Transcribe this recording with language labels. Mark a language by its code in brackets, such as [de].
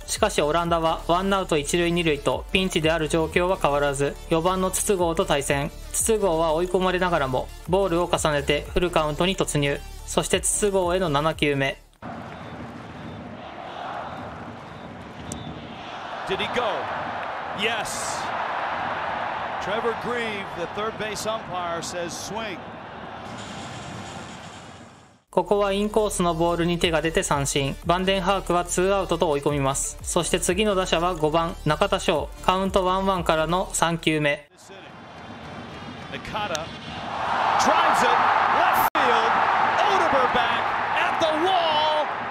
[ja] しかしオランダはワンアウト1塁2塁とピンチである状況は変わらず、4番の筒香と対戦。筒香は追い込まれながらもボールを重ねてフルカウントに突入。そして筒香への7球目、 [en] Did he go? Yes. Trevor Grieve, the third base umpire, says swing. [ja] ここはインコースのボールに手が出て三振。バンデンハークは2アウトと追い込みます。そして次の打者は5番中田翔、カウント 1-1 からの3球目、 [en] Nakata drives it left field, Odeber back at the wall.